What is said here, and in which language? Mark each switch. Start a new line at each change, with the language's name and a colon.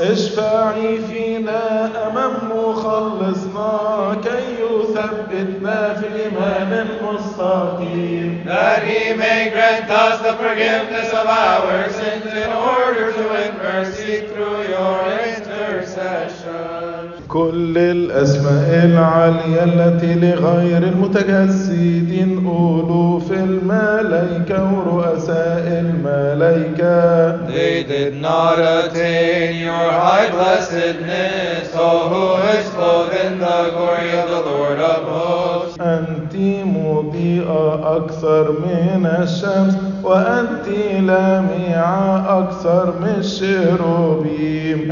Arabic: اشفعي فينا أمام مخلصنا كي يثبتنا في الإيمان المستقيم.
English: That he may grant us the forgiveness of our sins in order to win mercy through your intercession.
Arabic: كل الأسماء العالية التي لغير المتجسدين قولوا في الملائكة ورؤساء الملائكة.
English: They did not attain your high blessedness, O who is clothed in the glory of the Lord of hosts.
Arabic: أنت مضيئة أكثر من الشمس وأنت لامعة أكثر من الشروبيم.